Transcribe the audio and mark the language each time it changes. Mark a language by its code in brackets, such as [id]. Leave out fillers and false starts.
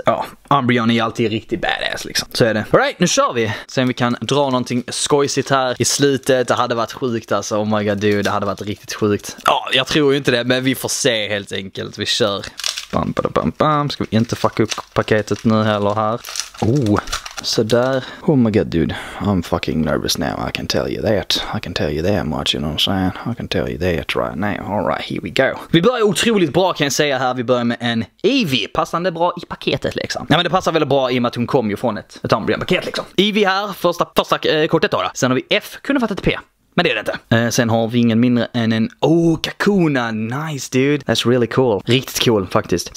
[sv] Ja, Umbreon är alltid riktigt badass liksom. Så är det. [en] All right, nu kör vi. [sv] Sen vi kan dra någonting skojsigt här i slutet. Det hade varit sjukt alltså. [en] Oh my god, dude, [sv] det hade varit riktigt sjukt. Ja, jag tror ju inte det, men vi får se helt enkelt. Vi kör. Bam, bada, bam, bam. Ska vi inte fucka upp paketet nu heller här. Oh, sådär. [en] Oh my god, dude, I'm fucking nervous now. I can tell you that much, you know what I'm saying? I can tell you that right now. All right, here we go. [sv] Vi börjar otroligt bra kan jag säga här. Vi börjar med en Eevee. Passande bra i paketet liksom. Nej, men det passar väldigt bra i och med att hon kom ju från ett Umbreon-paket liksom. Eevee här, första kortet då. Sen har vi F, kunde fatta ett P. Men det är det inte. Sen har vi ingen mindre än en... [en] Oh, Kakuna! Nice, dude! That's really cool. [sv] Riktigt cool, faktiskt.